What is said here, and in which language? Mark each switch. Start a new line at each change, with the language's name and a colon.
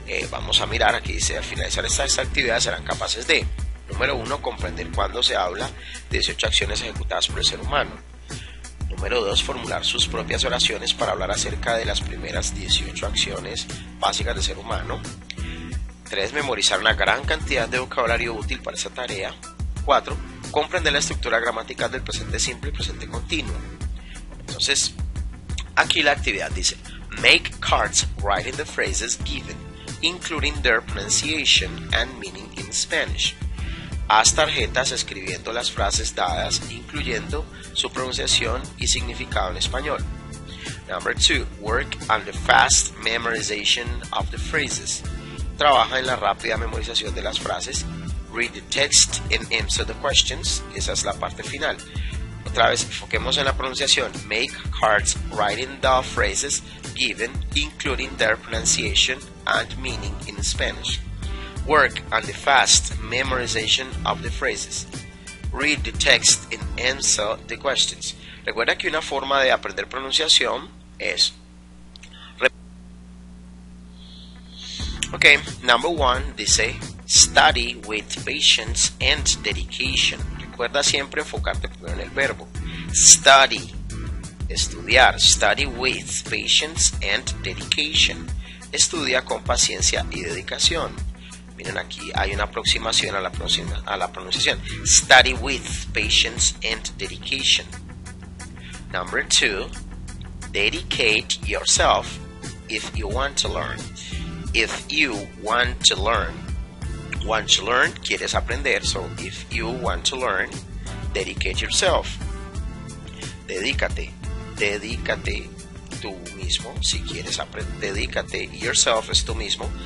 Spanish: Vamos a mirar, aquí dice, al finalizar estas actividades serán capaces de, número 1, comprender cuándo se habla, 18 acciones ejecutadas por el ser humano. Número 2, formular sus propias oraciones para hablar acerca de las primeras 18 acciones básicas del ser humano. 3, memorizar una gran cantidad de vocabulario útil para esa tarea. 4, comprender la estructura gramatical del presente simple y presente continuo. Entonces, aquí la actividad dice,
English: make cards writing the phrases given, including their pronunciation and meaning in Spanish.
Spanish: Haz tarjetas escribiendo las frases dadas, incluyendo su pronunciación y significado en español.
English: Number 2. Work on the fast memorization of the phrases.
Spanish: Trabaja en la rápida memorización de las frases.
English: Read the text and answer the questions.
Spanish: Esa es la parte final. Otra vez, enfoquemos en la pronunciación.
English: Make cards writing the phrases given, including their pronunciation and meaning in Spanish. Work on the fast memorization of the phrases. Read the text and answer the questions.
Spanish: Recuerda que una forma de aprender pronunciación es...
English: Okay, number one, dice, study with patience and dedication.
Spanish: Recuerda siempre enfocarte primero en el verbo. Study, estudiar.
English: Study with patience and dedication.
Spanish: Estudia con paciencia y dedicación. Miren, aquí hay una aproximación a la pronunciación.
English: Study with patience and dedication. Number 2. Dedicate yourself if you want to learn. If you want to learn. Want to learn,
Spanish: quieres aprender.
English: So, if you want to learn, dedicate yourself.
Spanish: Dedícate. Dedícate tú mismo. Si quieres aprender, dedícate yourself es tú mismo.